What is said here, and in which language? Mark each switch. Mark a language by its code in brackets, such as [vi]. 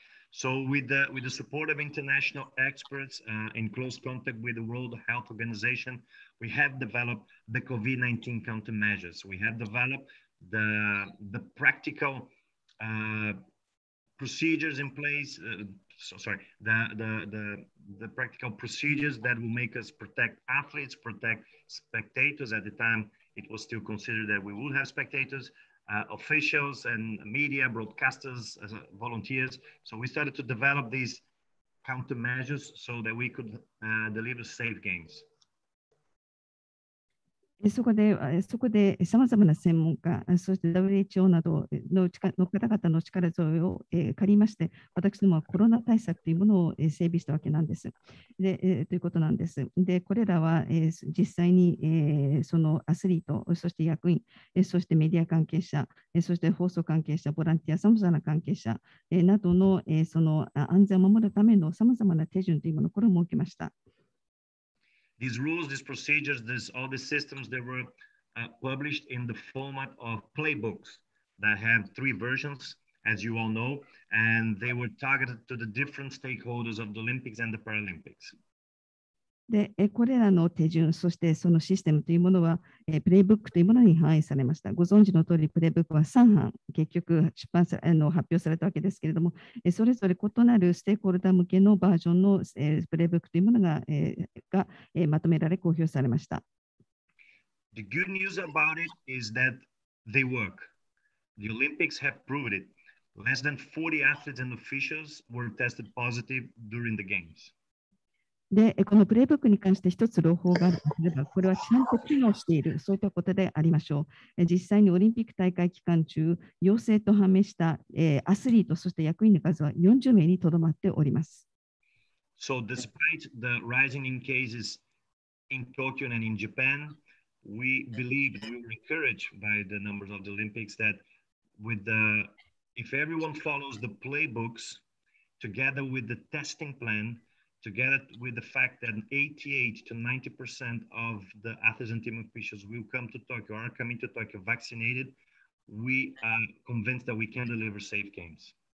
[en] So with the support of international experts in close contact with the World Health Organization, we have developed the COVID-19 countermeasures. We have developed the practical procedures in place, the practical procedures that will make us protect athletes, protect spectators. At the time, it was still considered that we would have spectators. Officials and media broadcasters, volunteers. So we started to develop these countermeasures so that we could deliver safe games. [ja] そこでさまざまな専門家、そして WHO などの方々の力添えを借りまして、私どもはコロナ対策というものを整備したわけなんです。でということなんです。で、これらは実際にそのアスリート、そして役員、そしてメディア関係者、そして放送関係者、ボランティア、さまざまな関係者などのその安全を守るためのさまざまな手順というものをこれを設けました。 [en] These rules, these procedures, all these systems, they were published in the format of playbooks that have three versions, as you all know, and they were targeted to the different stakeholders of the Olympics and the Paralympics. [ja] でこれらの手順、そしてそのシステムというものは、プレイブックというものに反映されました。ご存知の通り、プレイブックは3版、結局発表されたわけですけれども、それぞれ異なるステークホルダー向けのバージョンの、プレイブックというものが、まとめられ、公表されました。 [en] The good news about it is that they work. The Olympics have proved it. Less than 40 athletes and officials were tested positive during the games. [ja] で、このプレイブックに関して一つ朗報があるとすれば、これはちゃんと機能している、そういったことでありましょう。実際にオリンピック大会期間中、陽性と判明した、アスリート、そして役員の数は40名にとどまっております。 [en] So despite the rising in cases in Tokyo and in Japan, we believe we were encouraged by the numbers of the Olympics that with the, if everyone follows the playbooks together with the testing plan,together with the fact that 88 to 90% of the athletes and team officials will come to Tokyo, are coming to Tokyo vaccinated, we are convinced that we can deliver safe games.